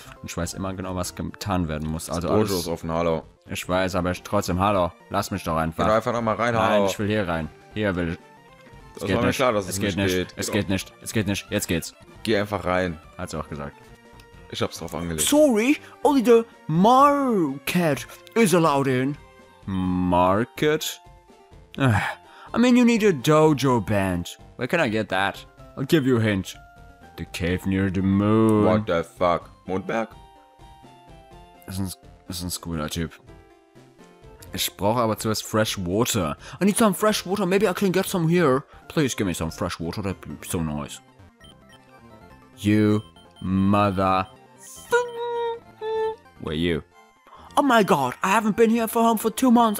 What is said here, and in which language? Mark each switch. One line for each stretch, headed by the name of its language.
German: Und ich weiß immer genau, was getan werden muss. Also Bojo ist offen, hallo. Ich weiß, aber ich trotzdem, hallo. Lass mich doch einfach. Geh einfach nochmal rein, hallo. Nein, ich will hier rein. Hier will ich. Das war mir klar, dass es nicht geht. Es geht nicht. Es geht nicht. Jetzt geht's. Geh einfach rein. Hat sie auch gesagt. Ich hab's drauf angelegt.
English: Sorry, only the Marquette is allowed in. Market? I mean, you need a dojo band. Where can I get that? I'll give you a hint. The cave near the moon. What the fuck? Mondberg?
German: Das ist ein cooler Typ. Ich brauche aber zuerst
English: fresh water. I need some fresh water. Maybe I can get some here. Please give me some fresh water. That'd be so nice. You mother... Where are you? Oh my god, I haven't been here for home for 2 months.